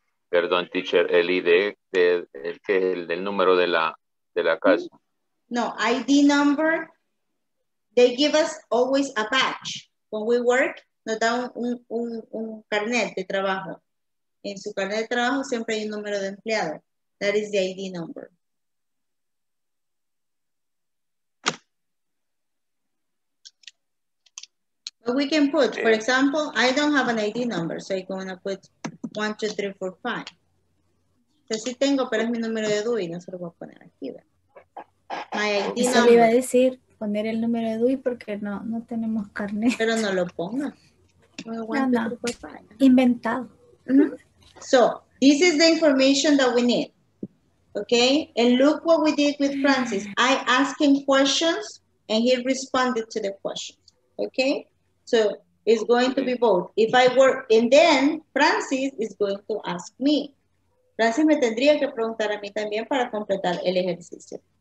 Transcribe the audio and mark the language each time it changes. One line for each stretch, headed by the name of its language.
Spanish: Perdón, teacher, el ID, el número de la casa.
English: No, ID number, they give us always a badge. When we work,
Spanish: nos da un carnet de trabajo. En su carnet de trabajo siempre hay un número de empleado.
English: That is the ID number. But we can put, for example, I don't have an ID number, so I'm going to put 1, 2, 3, 4, 5.
Spanish: O sea, sí tengo, pero es mi número de DUI, no se lo voy a poner aquí, ¿verdad?
English: My ID number.
Spanish: Eso le iba a decir, poner el número de DUI porque no, no tenemos carnet. Pero no lo ponga. No, inventado.
English: So, this is the information that we need. Okay? And look what we did with Francis. I asked him questions and he responded to the questions. Okay? So, it's going to be both. If I work, and then Francis is going to ask me.
Spanish: Francis me tendría que preguntar a mí también para completar el ejercicio.